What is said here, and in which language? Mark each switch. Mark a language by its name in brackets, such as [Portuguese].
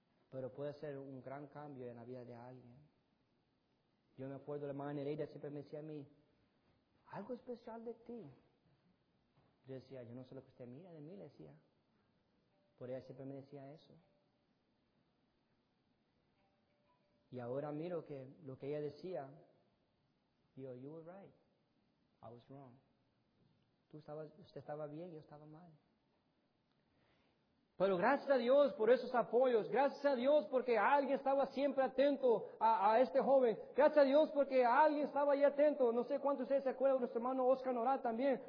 [Spanish] Pero puede ser un gran cambio en la vida de alguien. Yo me acuerdo, la hermana Nereida siempre me decía a mí, algo especial de ti. Yo decía, yo no sé lo que usted mira de mí, le decía. Por ella siempre me decía eso. Y ahora miro que lo que ella decía, yo, [English] you were right, I was wrong. [Spanish] Usted estaba bien, yo estaba mal. Pero gracias a Dios por esos apoyos. Gracias a Dios porque alguien estaba siempre atento a este joven. Gracias a Dios porque alguien estaba ahí atento. No sé cuántos de ustedes se acuerdan, nuestro hermano Oscar Norat también.